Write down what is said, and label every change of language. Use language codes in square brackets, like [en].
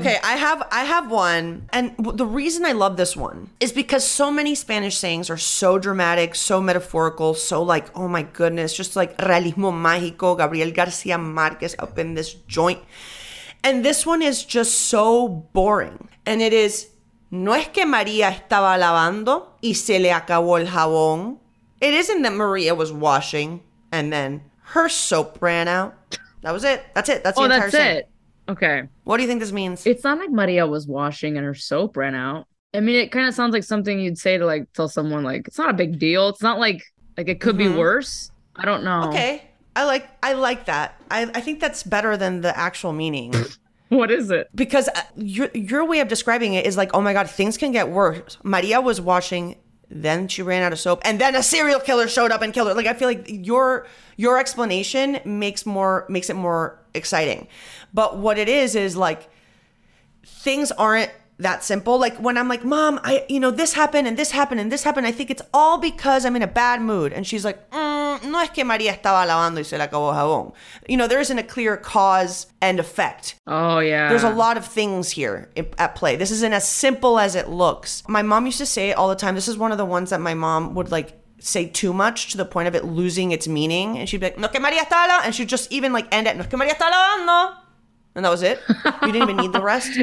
[en] Okay, I have one. And the reason I love this one is because so many Spanish sayings are so dramatic, so metaphorical, so like, oh my goodness, just like realismo mágico, Gabriel García Márquez up in this joint. And this one is just so boring. And it is, [es] no es que María estaba lavando y se le acabó el jabón. [en] It isn't that Maria was washing and then her soap ran out. That was it. That's it. That's the entire thing. Oh, that's it. Okay. What do you think this means? It's not like Maria was washing and her soap ran out. I mean, it kind of sounds like something you'd say to like tell someone like, it's not a big deal. It's not like, it could mm-hmm. be worse. I don't know. Okay. I like that. I think that's better than the actual meaning. What is it? Because your way of describing it is like, oh my God, things can get worse. Maria was washing, then she ran out of soap, and then a serial killer showed up and killed her. Like, I feel like your explanation makes it more exciting. But what it is like, things aren't that simple. Like when I'm like, Mom, I, you know, this happened and this happened and this happened. I think it's all because I'm in a bad mood. And she's like, [es] no es que María estaba lavando y se le acabó el jabón. [en] You know, there isn't a clear cause and effect. Oh, yeah. There's a lot of things here at play. This isn't as simple as it looks. My mom used to say it all the time. This is one of the ones that my mom would like say too much to the point of it losing its meaning. And she'd be like, [es] no es que María estaba lavando. [en] And she'd just even like end it, [es] no es que María estaba lavando. [en] And that was it. You didn't even need the rest.